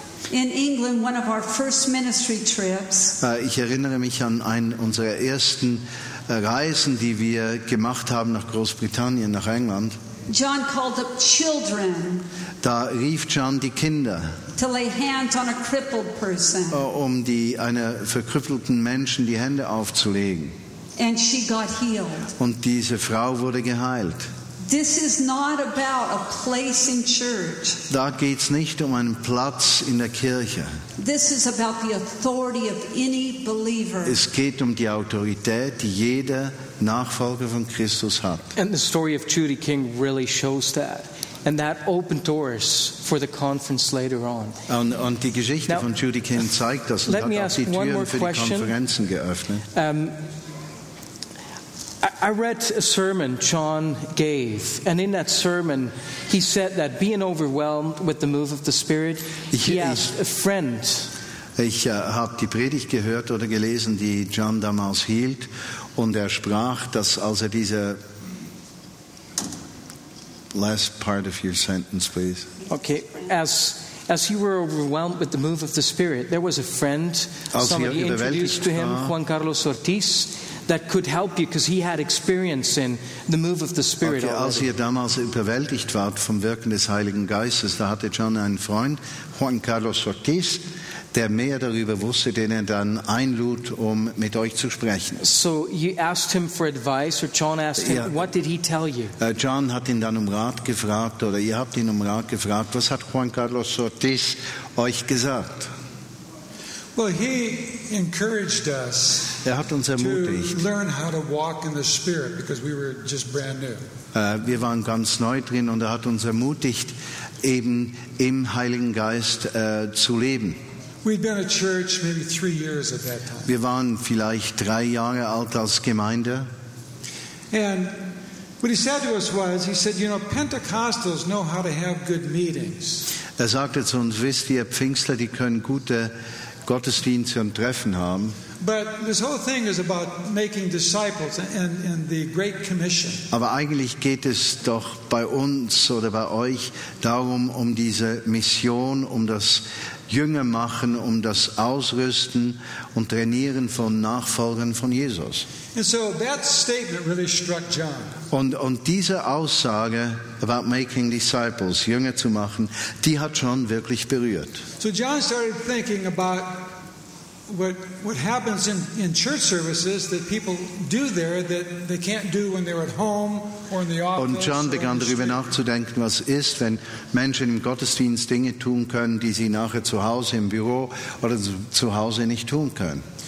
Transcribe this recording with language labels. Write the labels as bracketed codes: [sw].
[en] In England, one of our first ministry trips. [de] Ich erinnere mich an einen unserer ersten Reisen, die wir gemacht haben nach Großbritannien, nach England. [en] John called up children. [de] Da rief John die Kinder. [en] To lay hands on a crippled person. [de] Um die einer verkrüppelten Menschen die Hände aufzulegen. [en] And she got healed. [de] Und diese Frau wurde geheilt. [en] This is not about a place in church. [de] Da geht's nicht um einen Platz in der Kirche. [en] This is about the authority of any believer. [de] Es geht um die Autorität, die jeder Nachfolger von Christus hat. [en] And the story of Judy King really shows that. And that opened doors for the conference later on. [de] Und die Geschichte von Judy King zeigt das und hat auch die Türen für die Konferenzen geöffnet. [en] I read a sermon John gave, and in that sermon, he said that being overwhelmed with the move of the Spirit, he asked a friend. [de] Ich habe die Predigt gehört oder gelesen, die John damals hielt, und er sprach, dass als er diese [en] last part of your sentence, please. Okay, as you were overwhelmed with the move of the Spirit, there was a friend, somebody introduced to him, Juan Carlos Ortiz, that could help you because he had experience in the move of the Spirit. [de] Okay, als ihr damals überwältigt wart vom Wirken des Heiligen Geistes, da hatte John einen Freund, Juan Carlos Ortiz, der mehr darüber wusste, den er dann einlud, um mit euch zu sprechen. [en] So you asked him for advice, or John asked him, what did he tell you? [de] John hat ihn dann um Rat gefragt, oder ihr habt ihn um Rat gefragt, was hat Juan Carlos Ortiz euch gesagt? [en] Well, he encouraged us. [de] Er hat uns ermutigt. [en] To learn how to walk in the Spirit because we were just brand new. [de] Wir waren ganz neu drin und er hat uns ermutigt, eben im Heiligen Geist zu leben. [en] We'd been a church maybe 3 years at that time. [de] Wir waren vielleicht 3 Jahre alt als Gemeinde. [en] And what he said to us was, he said, you know, Pentecostals know how to have good meetings. [de] Er sagte zu uns, wisst ihr, Pfingstler, die können gute Gottesdienste und Treffen haben. [en] But this whole thing is about making disciples and the Great Commission. [de] Aber eigentlich geht es doch bei uns oder bei euch darum, um diese Mission, um das Jünger machen, um das Ausrüsten und Trainieren von Nachfolgern von Jesus. [en] And so that statement really struck John. [de] Und diese Aussage [en] about making disciples, [de] Jünger zu machen, die hat John wirklich berührt. [en] So John started thinking about what happens in church services that people do there that they can't do when they're at home or in the office. [de] Und John begann darüber nachzudenken, was ist, wenn Menschen im Gottesdienst Dinge tun können, die sie nachher zu Hause im Büro oder zu Hause nicht tun können.